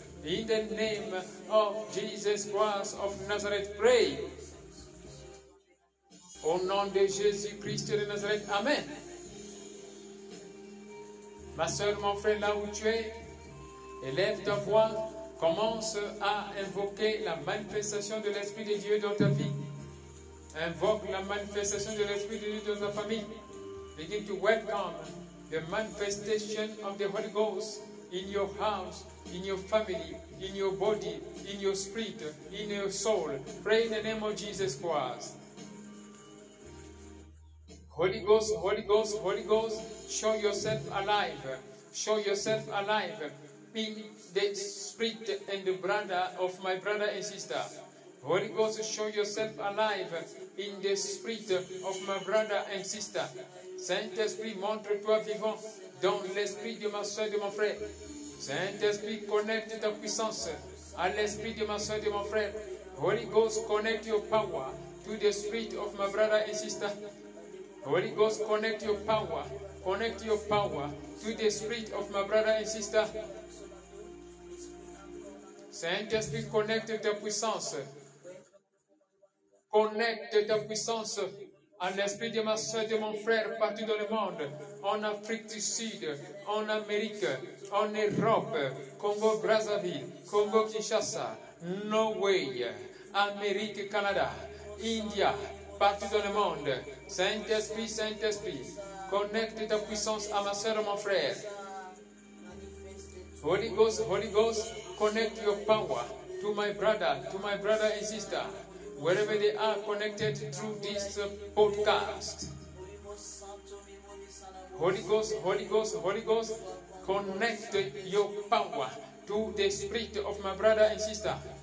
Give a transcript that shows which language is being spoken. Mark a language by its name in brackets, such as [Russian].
[English] In the name of Jesus Christ of Nazareth, pray. [French] Au nom de Jésus Christ de Nazareth, amen. Ma soeur, mon frère, là où tu es, élève ta voix, commence à invoquer la manifestation de l'Esprit de Dieu dans ta vie. Invoque la manifestation de l'Esprit de Dieu dans ta famille. [English] Begin to welcome the manifestation of the Holy Ghost in your house, in your family, in your body, in your spirit, in your soul. Pray in the name of Jesus Christ. Holy Ghost, Holy Ghost, Holy Ghost, show yourself alive. Show yourself alive in the spirit and the brother of my brother and sister. Holy Ghost, show yourself alive in the spirit of my brother and sister. [French] Saint-Esprit, montre-toi vivant dans l'esprit de ma soeur et de mon frère. Saint-Esprit, connecte ta puissance à l'esprit de ma soeur et de mon frère. [English] Holy Ghost, connect your power to the spirit of my brother and sister. Holy Ghost, connect your power to the spirit of my brother and sister. [French] Saint-Esprit, connecte ta puissance. Connecte ta puissance à l'esprit de ma soeur et de mon frère partout dans le monde, en Afrique du Sud, en Amérique, en Europe, Congo-Brazzaville, Congo-Kinshasa, Norway, Amérique, Canada, India, partout dans le monde. Saint-Esprit, Saint-Esprit, connecte ta puissance à ma soeur et mon frère. [English] Holy Ghost, connect your power to my brother and sister. Wherever they are connected through this podcast. Holy Ghost, Holy Ghost, Holy Ghost, connect your power to the spirit of my brother and sister.